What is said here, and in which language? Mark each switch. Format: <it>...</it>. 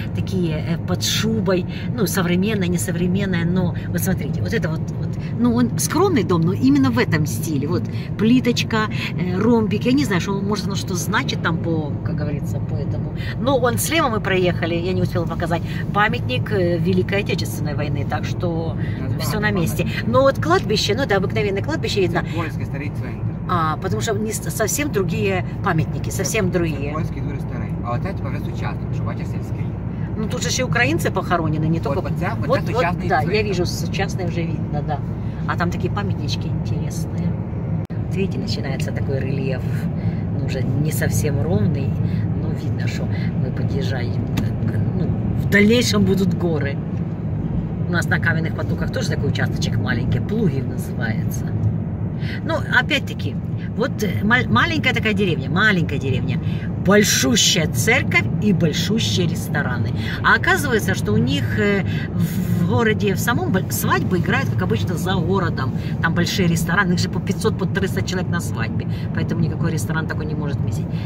<uk>Такі під шубою, ну, сучасне, не сучасне, но ви смотрите, от це от, от, ну, він скромний дом, но іменно в цьому стилі. От пліточка, ромбик. Я не знаю, що може воно що значить там по, як говориться, по цьому. Ну, он слева ми проїхали, я не встигла показати пам'ятник Великої Отечественної війни, так що все на місці. Ну, от кладбище, ну, да, обикновенне кладбище видно. Польський старий центр.</uk> <ru>А, потому что не совсем другие памятники, совсем это другие.</ru> <uk>Польский дуже старий. А вот это вже сучасний, що бачиш сільський. Ну тут же ще українці похоронені, не только.</uk> <ru>Вот, вот, вот, вот да, я вижу,</ru> <uk>сучасний вже видно,</uk> <ru>да.</ru> <uk>А там такі пам'ятнички інтересні.</uk> <ru>Видите, начинается такой рельєф.</ru> <uk>Ну, вже не совсем ровний, но видно, що ми під'їжджаємо. Ну, в дальнейшем будуть гори. У нас на кам'яних потоках теж такий участочок маленький, Плугів називається.</uk> <ru>Ну, опять-таки, вот маленькая такая деревня, маленькая деревня, большущая церковь и большущие рестораны. А оказывается, что у них в городе, в самом свадьбе играют, как обычно, за городом. Там большие рестораны, их же по 500, по 300 человек на свадьбе. Поэтому никакой ресторан такой не может вместить.</ru>